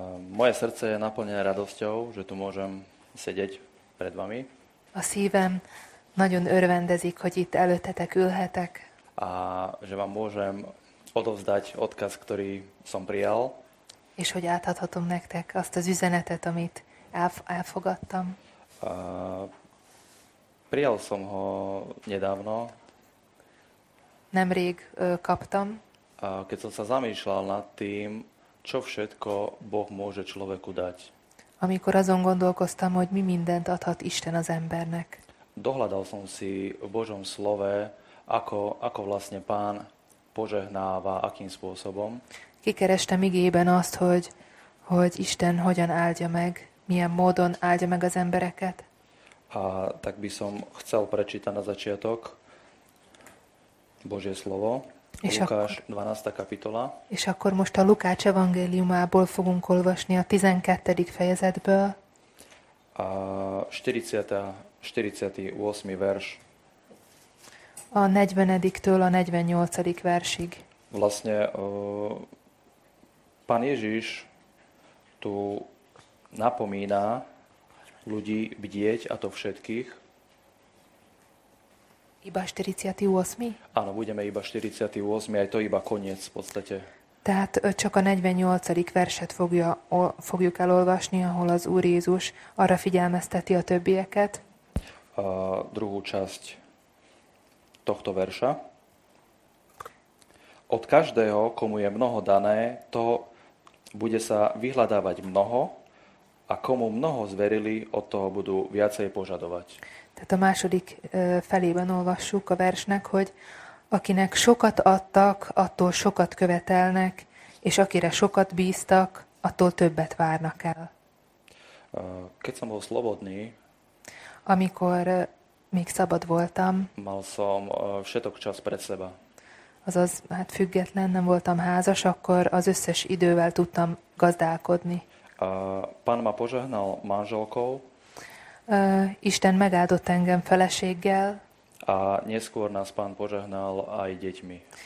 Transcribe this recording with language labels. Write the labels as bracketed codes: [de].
[sk] Moje srdce je naplnené radosťou, že tu môžem sedieť pred vami. [hu] A szívem nagyon örvendezik, hogy itt előttetek ülhetek. [sk] A že vám môžem odovzdať odkaz, ktorý som prijal. [hu] És hogy átadhatom nektek azt az üzenetet, amit elfogadtam. [sk] Prijal som ho nedávno. [hu] Nemrég kaptam. [sk] Keď som sa zamýšľal nad tým, čo všetko Boh môže človeku dať. [hu] Amikor azon gondolkoztam, hogy mi mindent adhat Isten az embernek. [sk] Dohľadal som si v Božom slove, ako vlastne Pán požehnáva, akým spôsobom. [hu] Kikerestem igében azt, hogy Isten hogyan áldja meg, milyen módon áldja meg az embereket. [sk] A tak by som chcel prečítať na začiatok Božie slovo. [hu] És [sk] Lukáš 12. kapitola. [hu] És akkor most a Lukács evangéliumából fogunk olvasni a 12. fejezetből. [sk] A 48. verš. [hu] A 40-től a 48. versig. [sk] Vlastne Pán Ježiš tu napomína ľudí bdieť, a to všetkých. Iba 48. Áno, budeme iba 48. aj to iba koniec v podstate. [hu] Tehát csak a 48. verset fogjuk elolvasni, ahol az Úr Jézus arra figyelmezteti a többieket. [sk] A druhú časť tohto verša. Od každého, komu je mnoho dané, to bude sa vyhľadávať mnoho, a komu mnoho zverili, od toho budú viacej požadovať. [hu] Tehát a második felében olvassuk a versnek, hogy akinek sokat adtak, attól sokat követelnek, és akire sokat bíztak, attól többet várnak el. [sk] Keď som bol slobodný, [hu] amikor még szabad voltam, [sk] mal som všetok čas pred seba. [hu] Azaz, hát független, nem voltam házas, akkor az összes idővel tudtam gazdálkodni. [sk] Pán ma požehnal manželkou, [hu] Isten megáldott engem feleséggel. [sk] A neskôr nás Pán požehnal aj deťmi.